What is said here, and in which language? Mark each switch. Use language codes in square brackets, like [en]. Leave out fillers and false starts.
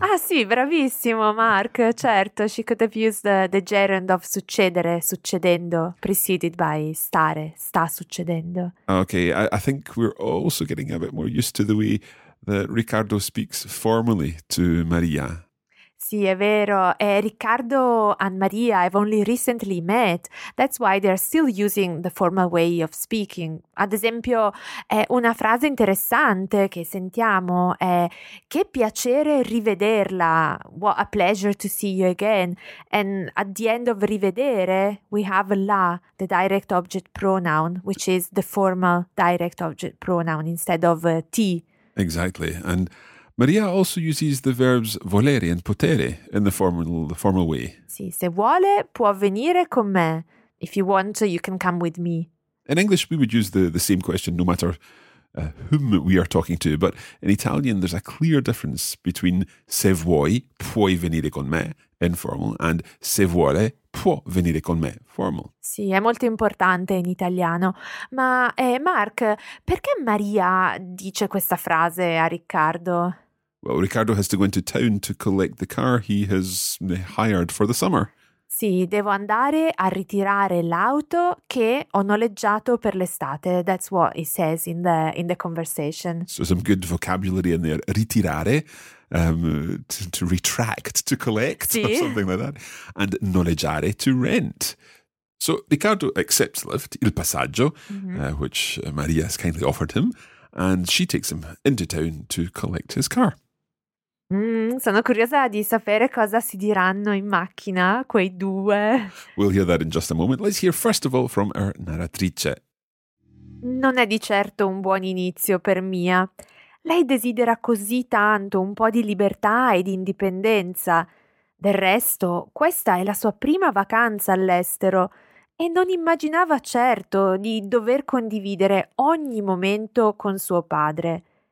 [it] Ah sì, bravissimo, [en] Mark. Certo, she could have used the gerund of succedere, succedendo, preceded by stare, [it] sta succedendo. [en] Okay, I think we're also getting a bit more used to the way that Riccardo speaks formally to Maria. [it] Sì, è vero. [en] Riccardo and Maria have only recently met. That's why they're still using the formal way of speaking. [it] Ad esempio, una frase interessante che sentiamo è «Che piacere rivederla!» [en] «What a pleasure to see you again!» And at the end of rivedere, we have la, the direct object pronoun, which is the formal direct object pronoun instead of ti. Exactly. And Maria also uses the verbs volere and potere in the formal way. [it] Sì, se vuole può venire con me. [en] If you want, you can come with me. In English, we would use the same question no matter whom we are talking to. But in Italian, there's a clear difference between [it] se vuoi, puoi venire con me, [en] informal, and [it] se vuole, può venire con me, [en] formal. [it] Sì, è molto importante in italiano. Ma Mark, perché Maria dice questa frase a Riccardo? [en] Well, Riccardo has to go into town to collect the car he has hired for the summer. [it] Sì, devo andare a ritirare l'auto che ho noleggiato per l'estate. [en] That's what he says in the conversation. So some good vocabulary in there. Ritirare, to retract, to collect, [it] sì, [en] or something like that. And noleggiare, to rent. So Riccardo accepts Lyft, il passaggio, which Maria has kindly offered him. And she takes him into town to collect his car. [it] Sono curiosa di sapere cosa si diranno in macchina quei due. [en] We'll hear that in just a moment. Let's hear first of all from our narratrice. [it] Non è di certo un buon inizio per Mia. Lei desidera così tanto un po' di libertà e di indipendenza. Del resto, questa è la sua prima vacanza all'estero e non immaginava certo di dover condividere ogni momento con suo padre.